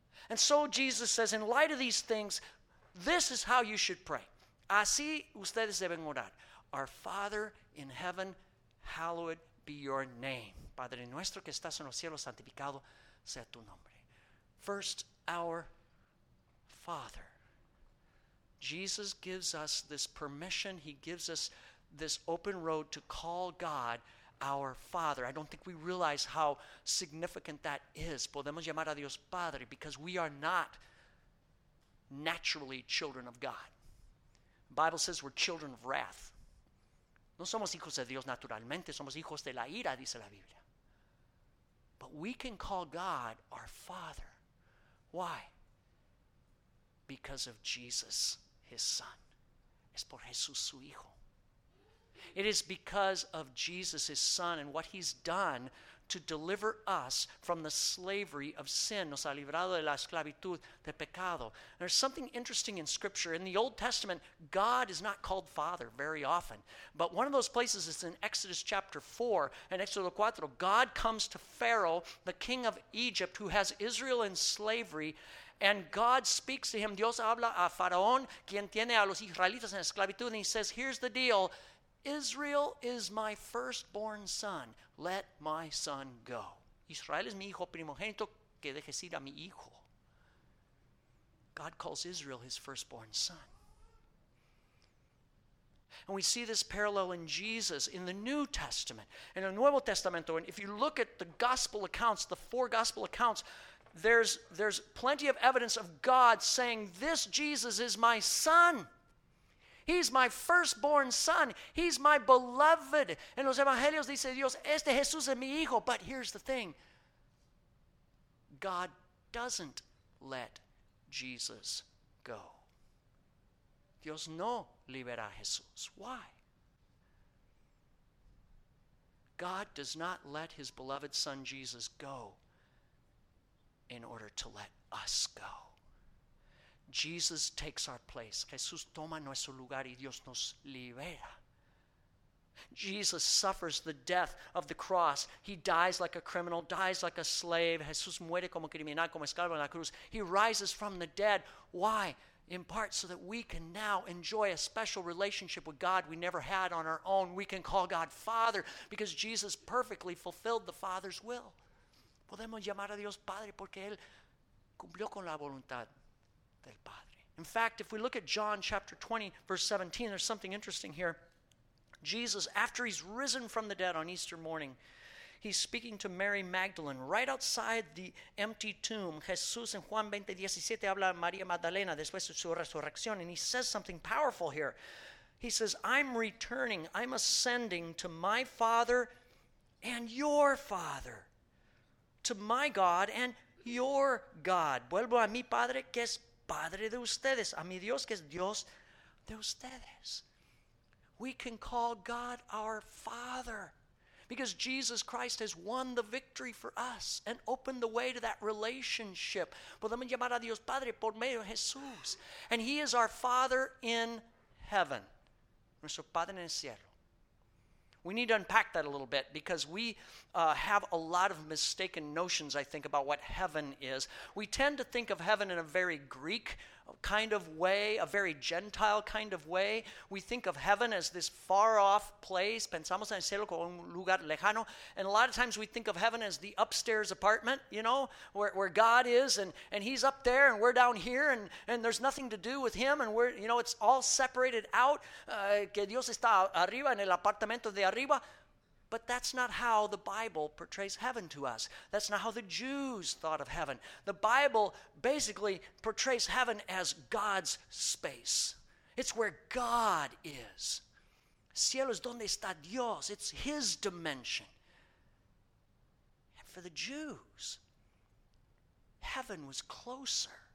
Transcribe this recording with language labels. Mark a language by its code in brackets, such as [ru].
[en] And so Jesus says, in light of these things, this is how you should pray. [es] Así ustedes deben orar. [en] Our Father in heaven, hallowed be your name. [es] Padre nuestro que estás en los cielos, santificado sea tu nombre. [en] First, our Father. Jesus gives us this permission. He gives us this open road to call God our Father. I don't think we realize how significant that is. [es] Podemos llamar a Dios Padre [en] because we are not naturally children of God. The Bible says we're children of wrath. [es] No somos hijos de Dios naturalmente, somos hijos de la ira, dice la Biblia. [en] But we can call God our Father. Why? Because of Jesus, his Son. [es] Es por Jesús, su Hijo. [en] It is because of Jesus, his Son, and what he's done to deliver us from the slavery of sin. [es] Nos ha librado de la esclavitud de pecado. [en] There's something interesting in Scripture. In the Old Testament, God is not called Father very often. But one of those places is in Exodus chapter 4 and Exodus 4. God comes to Pharaoh, the king of Egypt, who has Israel in slavery. And God speaks to him. [es] Dios habla a Faraón, quien tiene a los israelitas en esclavitud. [en] And he says, here's the deal. Israel is my firstborn son. Let my son go. [es] Israel es mi hijo primogénito, que dejes ir a mi hijo. [en] God calls Israel his firstborn son. And we see this parallel in Jesus in the New Testament. In the Nuevo Testamento, and if you look at the gospel accounts, the four gospel accounts, there's plenty of evidence of God saying, this Jesus is my son. He's my firstborn son. He's my beloved. [es] En los evangelios dice Dios, este Jesús es mi hijo. [en] But here's the thing. God doesn't let Jesus go. [es] Dios no libera a Jesús. Why? [en] God does not let his beloved son Jesus go in order to let us go. Jesus takes our place. [es] Jesús toma nuestro lugar y Dios nos libera. [en] Jesus suffers the death of the cross. He dies like a criminal, dies like a slave. [es] Jesús muere como criminal, como esclavo en la cruz. [en] He rises from the dead. Why? In part so that we can now enjoy a special relationship with God we never had on our own. We can call God Father because Jesus perfectly fulfilled the Father's will. [es] Podemos llamar a Dios Padre porque Él cumplió con la voluntad. [en] In fact, if we look at John chapter 20, verse 17, there's something interesting here. Jesus, after he's risen from the dead on Easter morning, he's speaking to Mary Magdalene right outside the empty tomb. [es] Jesús en Juan 20, 17 habla a María Magdalena después de su resurrección, [en] and he says something powerful here. He says, I'm returning, I'm ascending to my Father and your Father, to my God and your God. [es] Vuelvo a mi Padre, que es Padre de ustedes, a mi Dios que es Dios de ustedes. [en] We can call God our Father because Jesus Christ has won the victory for us and opened the way to that relationship. [es] Podemos llamar a Dios Padre por medio de Jesús. [en] And he is our Father in heaven. [es] Nuestro Padre en el cielo. [en] We need to unpack that a little bit because we have a lot of mistaken notions, I think, about what heaven is. We tend to think of heaven in a very Greek kind of way, a very Gentile kind of way. We think of heaven as this far-off place. [es] Pensamos en el cielo como un lugar lejano. [en] And a lot of times we think of heaven as the upstairs apartment, you know, where God is and he's up there and we're down here and there's nothing to do with him and we're, you know, it's all separated out. [es] Que Dios está arriba en el apartamento de arriba. [en] But that's not how the Bible portrays heaven to us. That's not how the Jews thought of heaven. The Bible basically portrays heaven as God's space. It's where God is. [es] Cielo es donde está Dios. [en] It's his dimension. And for the Jews, heaven was closer.